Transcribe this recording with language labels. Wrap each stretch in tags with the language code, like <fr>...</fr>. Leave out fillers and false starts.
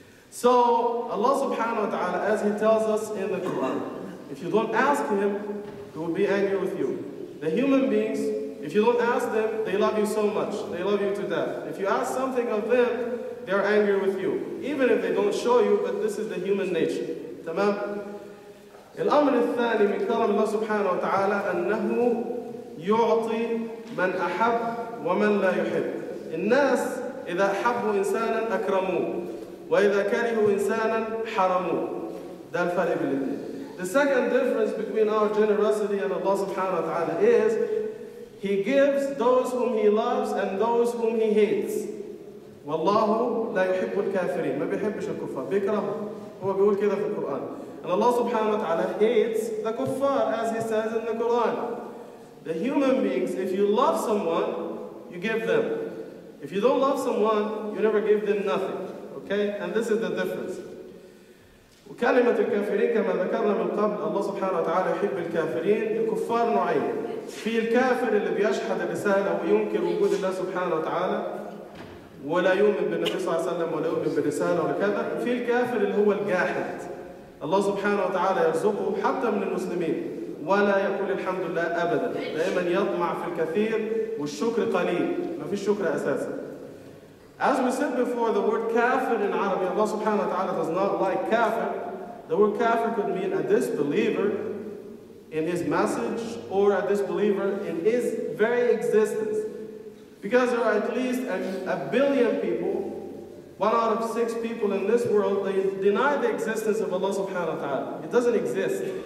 <en>So Allah subhanahu wa ta'ala, as He tells us in the Quran, if you don't ask Him, He will be angry with you. The human beings, If you don't ask them, they love you so much. They love you to death. If you ask something of them, they're angry with you. Even if they don't show you, but this is the human nature.</en> <ar>تمام؟ الأمر الثاني من كرم الله سبحانه وتعالى أنه يعطي من أحب ومن لا يحب. الناس إذا أحبوا إنسانا أكرموه وإذا كرهوا إنسانا حرموه. ده الفرق بين الاثنين.</ar> <en>The second difference between our generosity and Allah subhanahu wa ta'ala is He gives those whom He loves and those whom He hates.</en> <ar>وَاللَّهُ لَا يُحِبُّ الْكَافِرِينَ مَا بِيحِبِّشَ الْكُفَّارِ بِيكْرَهُ هو بيقول كده في القرآن.</ar> <en>And Allah subhanahu wa ta'ala hates the kuffar as He says in the Quran. The human beings, if you love someone, you give them. If you don't love someone, you never give them nothing. Okay? And this is the difference.</en> <ar>وكلمة الكافرين كما ذكرنا من قبل الله سبحانه وتعالى يحب الكافرين الكفار نوعين في الكافر اللي بيشحد الرسالة وينكر وجود الله سبحانه وتعالى ولا يؤمن بالنبي صلى الله عليه وسلم ولا يؤمن بالرسالة وكذا في الكافر اللي هو الجاحد الله سبحانه وتعالى يرزقه حتى من المسلمين ولا يقول الحمد لله أبدا دائما يطمع في الكثير والشكر قليل ما فيش شكر أساسا.</ar> <en>As we said before, the word kafir in Arabic, Allah subhanahu wa ta'ala does not like kafir. The word kafir could mean a disbeliever in his message or a disbeliever in his very existence. Because there are at least a billion people, one out of six people in this world, they deny the existence of Allah subhanahu wa ta'ala. It doesn't exist.</en>